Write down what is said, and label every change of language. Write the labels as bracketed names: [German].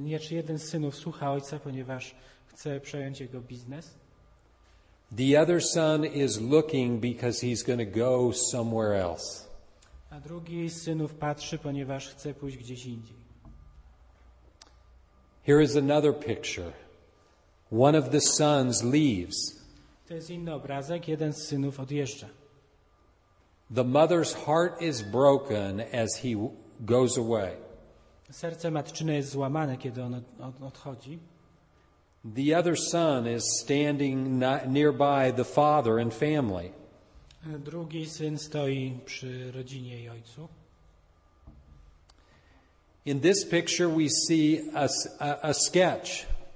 [Polish] Jeden z synów słucha ojca, ponieważ chce przejąć jego biznes. [English] The other son is looking because he's going to go somewhere else. [Polish] A drugi z synów patrzy, ponieważ chce pójść gdzieś indziej. [English] Here is another picture. One of the sons leaves. [Polish] To jest inny obrazek. Jeden z synów odjeżdża. [English] The mother's heart is broken as he goes away. [Polish] Serce matczyne jest złamane, kiedy on odchodzi. [English] The other son is standing nearby the father and family. [Polish] Drugi syn stoi przy rodzinie i ojcu. [English] In this picture we see a sketch.